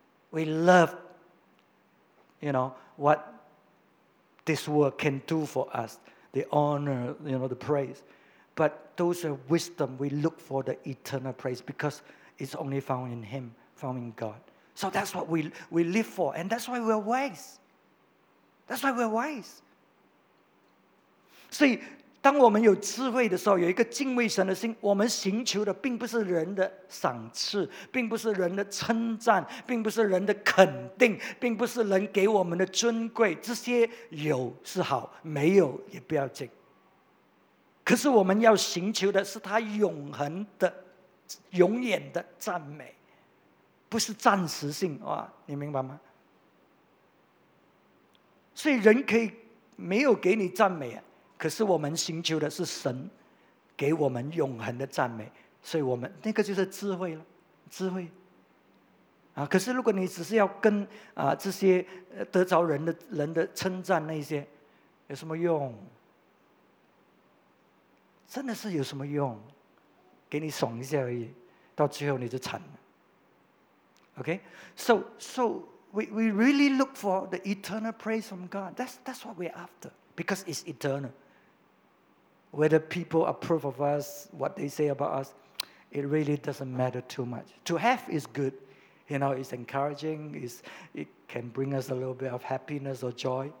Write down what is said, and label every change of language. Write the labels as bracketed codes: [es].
[en] We love, you know, what this world can do for us, the honor, you know, the praise. But those are wisdom, we look for the eternal praise because it's only found in him following God. So that's what we live for, and that's why we're wise. That's why we're wise. [zh] 所以当我们有智慧的时候，有一个敬畏神的心，我们寻求的并不是人的赏赐，并不是人的称赞，并不是人的肯定，并不是人给我们的尊贵，这些有是好，没有也不要紧。可是我们要寻求的是他永恒的、永远的赞美，不是暂时性，哇，你明白吗？所以人可以没有给你赞美啊，可是我们寻求的是神给我们永恒的赞美，所以我们那个就是智慧了，智慧啊。可是如果你只是要跟啊这些得着人的称赞那些，有什么用？真的是有什么用？给你爽一下而已，到最后你就惨了。 [en] Okay, so we really look for the eternal praise from God. That's what we're after because it's eternal. Whether people approve of us, what they say about us, it really doesn't matter too much. To have is good. You know, it's encouraging. It can bring us a little bit of happiness or joy.